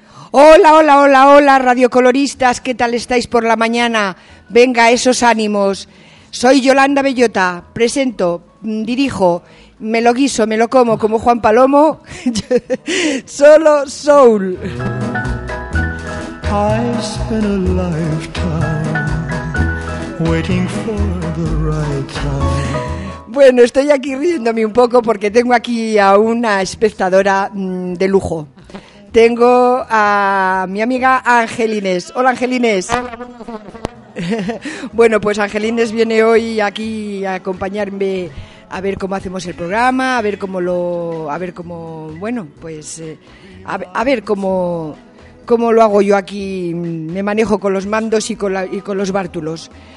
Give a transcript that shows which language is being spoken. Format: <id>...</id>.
<es>Hola, hola, hola, hola, radiocoloristas, ¿qué tal estáis por la mañana? Venga, esos ánimos. Soy Yolanda Bellota, presento, dirijo, me lo guiso, me lo como como Juan Palomo, solo soul.</es> <en>I spent a lifetime waiting for the right time.</en> <es>Bueno, estoy aquí riéndome un poco porque tengo aquí a una espectadora de lujo. Tengo a mi amiga Angelines. Hola, Angelines. Bueno, pues Angelines viene hoy aquí a acompañarme a ver cómo hacemos el programa, a ver cómo lo, a ver cómo, bueno, pues a ver cómo, cómo lo hago yo aquí, me manejo con los mandos y con, la, y con los bártulos.</es>